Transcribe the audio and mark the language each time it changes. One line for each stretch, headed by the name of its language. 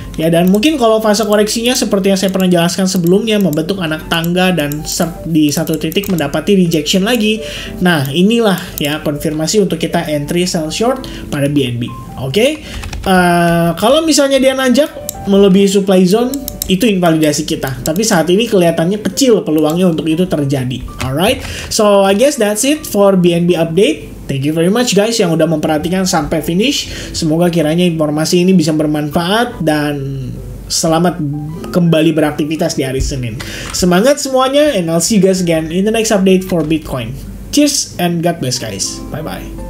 Indonesian: Ya, dan mungkin kalau fase koreksinya seperti yang saya pernah jelaskan sebelumnya, membentuk anak tangga dan di satu titik mendapati rejection lagi. Nah, inilah ya konfirmasi untuk kita entry sell short pada BNB. Oke? Kalau misalnya dia nanjak melebihi supply zone, itu invalidasi kita. Tapi saat ini kelihatannya kecil peluangnya untuk itu terjadi.
English: Alright? So, I guess that's it for BNB update. Thank you very much guys
Indonesian: yang udah memperhatikan sampai
English: finish.
Indonesian: Semoga kiranya informasi ini bisa bermanfaat dan selamat kembali beraktivitas di hari Senin. Semangat semuanya,
English: and I'll see you guys again in the next update for Bitcoin. Cheers and God bless guys. Bye-bye.